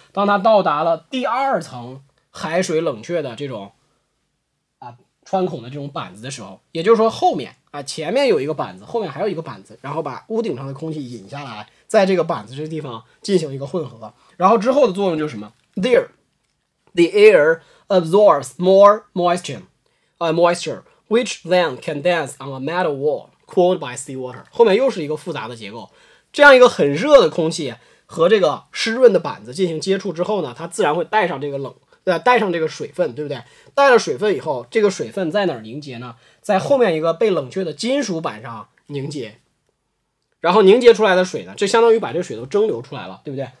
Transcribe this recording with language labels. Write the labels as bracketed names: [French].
[Chinese] 当它到达了第二层海水冷却的这种穿孔的这种板子的时候，也就是说后面前面有一个板子，后面还有一个板子，然后把屋顶上的空气引下来，在这个板子这个地方进行一个混合，然后之后的作用就是什么？ [English] There the airabsorbs more moisture, which then condenses on a metal wall cooled by seawater. [Chinese] 后面又是一个复杂的结构，这样一个很热的空气和这个湿润的板子进行接触之后呢，它自然会带上这个对吧，带上这个水分，对不对？带了水分以后，这个水分在哪儿凝结呢？在后面一个被冷却的金属板上凝结，然后凝结出来的水呢，这相当于把这水都蒸馏出来了，对不对？